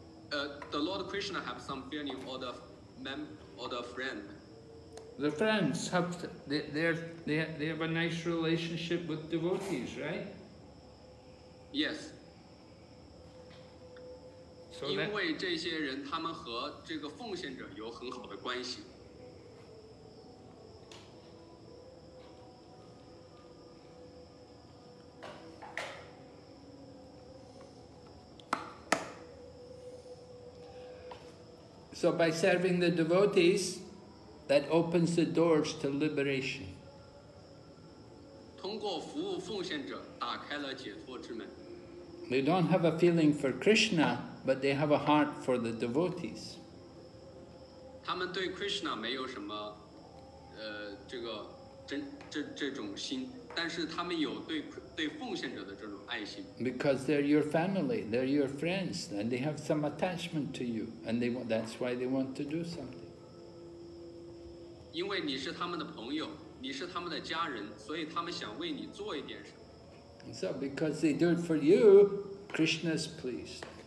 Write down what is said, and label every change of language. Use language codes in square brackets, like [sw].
[en] The Lord Krishna have some feeling or the mem or the friend. The friends have they have a nice relationship with devotees, right? Yes. So、 [zh] 因为这些人他们和这个奉献者有很好的关系。 [en] So by serving the devotees, that opens the doors to liberation. [zh] 通过服务奉献者打开了解脱之门。 [en] They don't have a feeling for Krishna, but they have a heart for the devotees. [zh] 他们对 Krishna 没有什么这个这种心，但是他们有对奉献者的这种爱心。 [en] Because they're your family, they're your friends, and they have some attachment to you, and that's why they want to do something. [zh] 因为你是他们的朋友，你是他们的家人，所以他们想为你做一点什么。 [en] So, because they do it for you, Krishna is pleased.